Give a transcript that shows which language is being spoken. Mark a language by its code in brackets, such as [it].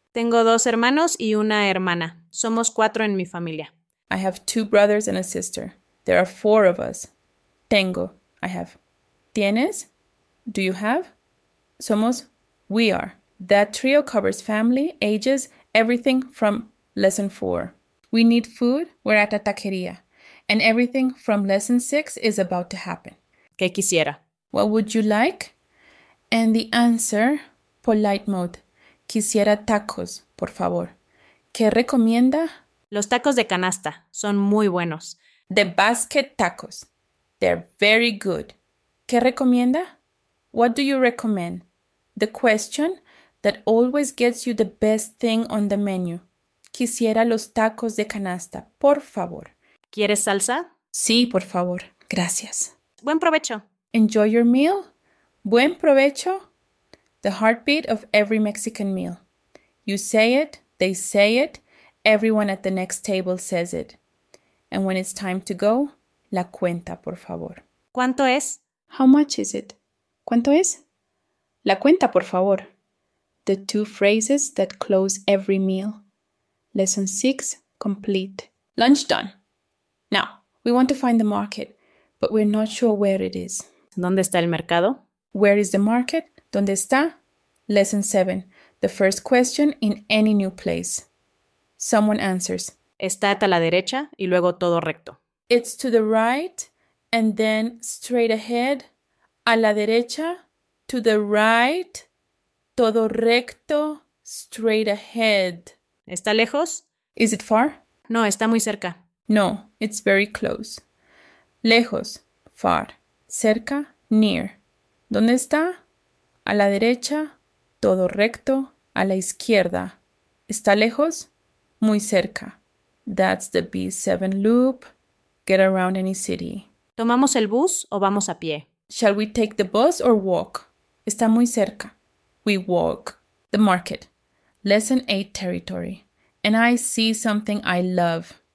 [es] Tengo 2 hermanos y una hermana. Somos 4 en mi familia. [en] I have 2 brothers and a sister. There are 4 of us. Tengo. I have. [es] ¿Tienes? [en] Do you have? Somos. We are. That trio covers family, ages, everything from lesson 4. We need food. We're at a taqueria. And everything from lesson 6 is about to happen. [es] ¿Qué quisiera? [en] What would you like? And the answer, polite mode. [es] Quisiera tacos, por favor. ¿Qué recomienda? Los tacos de canasta son muy buenos. [en] The basket tacos. They're very good. [es] ¿Qué recomienda? [en] What do you recommend? The question that always gets you the best thing on the menu. [es] Quisiera los tacos de canasta, por favor. ¿Quieres salsa? Sí, por favor. Gracias. Buen provecho. [en] Enjoy your meal. [es] Buen provecho. [en] The heartbeat of every Mexican meal. You say it, they say it, everyone at the next table says it. And when it's time to go, [es] la cuenta, por favor. [en] ¿Cuánto es? How much is it? [es] ¿Cuánto es? La cuenta, por favor. [en] The 2 phrases that close every meal. Lesson 6, complete. Lunch done. Now, we want to find the market, but we're not sure where it is. [es] ¿Dónde está el mercado? [en] Where is the market? [es] ¿Dónde está? [en] Lesson 7. The first question in any new place. Someone answers. [es] Está a la derecha y luego todo recto. [en] It's to the right and then straight ahead. [es] A la derecha, [en] to the right, [es] todo recto, [en] straight ahead. [es] ¿Está lejos? [en] Is it far? [es] No, está muy cerca. [en] No, it's very close. Lejos, far. [es] Cerca, near. ¿Dónde está? A la derecha, todo recto, a la izquierda. ¿Está lejos? Muy cerca. [en] That's the B7 loop. Get around any city. [es] ¿Tomamos el bus o vamos a pie? [en] Shall we take the bus or walk? [es] Está muy cerca. [en] We walk. The market. Lesson 8 territory. And I see something I love.